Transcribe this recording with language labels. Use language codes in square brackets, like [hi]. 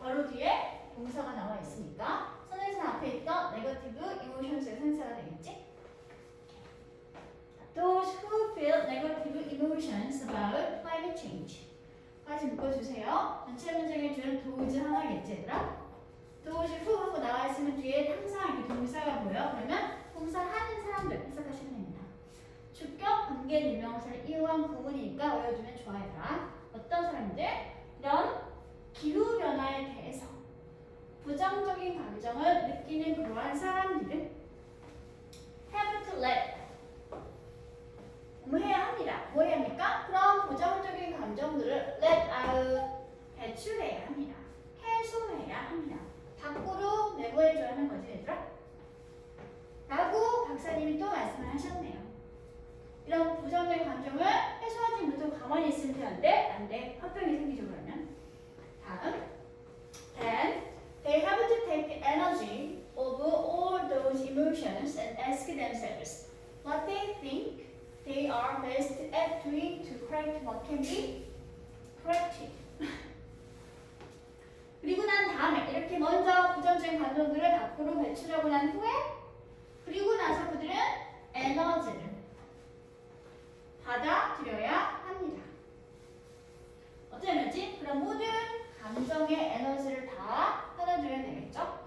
[ko] 바로 뒤에 동사가 나와 있으니까 선행사 앞에 있던 네거티브 이모션스의 선행사가 되겠지? [en] Those who feel negative emotions about climate change. [ko] 다시 묶어주세요. 전체 문장의 뒤에는 도우즈 하나겠지, 얘들아? 도우즈 후 하고 나와있으면 뒤에 항상 동사가 보여. 그러면 동사하는 사람들 해석하시면 됩니다. 주격, 관계, 누명사를 이용한 부분이니까 외워주면 좋아요, 얘들아. 어떤 사람들? 이런 기후변화에 대해서 부정적인 감정을 느끼는 그러한 사람들은 [en] have to let [ko] 뭐 해야 합니다. 뭐 해야 합니까? 그런 부정적인 감정들을 [en] let out, [ko] 배출해야 합니다. 해소해야 합니다. 밖으로 내보내줘야 하는 거지, 얘들아? 라고 박사님이 또 말씀을 하셨네요. 감정의 감정을 해소하지 못하고 가만히 있으면 안 돼? 안 돼. 화병이 생기죠, 그러면. 다음. [en] Then they have to take the energy of all those emotions and ask themselves what they think they are best at doing to correct what can be corrected. [ko] 그리고 난 다음에 이렇게 먼저 부정적인 감정들을 밖으로 배출하고 난 후에 그리고 나서 그들은 에너지를 받아들여야 합니다. 어떤 에너지? 그럼 모든 감정의 에너지를 다 받아들여야 되겠죠?